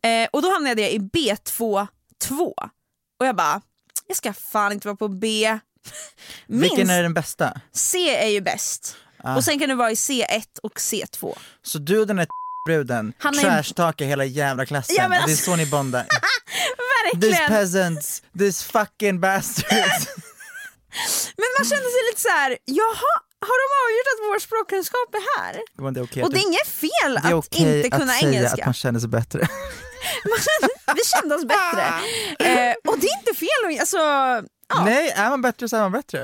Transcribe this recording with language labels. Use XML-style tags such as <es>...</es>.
<sv>Och då hamnade jag i B2, 2. Och jag bara, jag ska fan inte vara på B. Minst. Vilken är den bästa? C är ju bäst. Ah. Och sen kan du vara i C1 och C2. Så du och den här bruden trashtalkar hela jävla klassen. Ja, men... Det är så ni bondar. Verkligen.</sv> <en>These peasants, these fucking bastards.</en> <sv>Men man känner sig lite så här, jaha, har de avgjort att vår språkkunskap är här? Men det är okay, och det är inget fel att okay inte att kunna säga engelska. Att man känner sig bättre. Vi kände oss bättre. Och det är inte fel. Alltså, ja. Nej, är man bättre så är man bättre.</sv>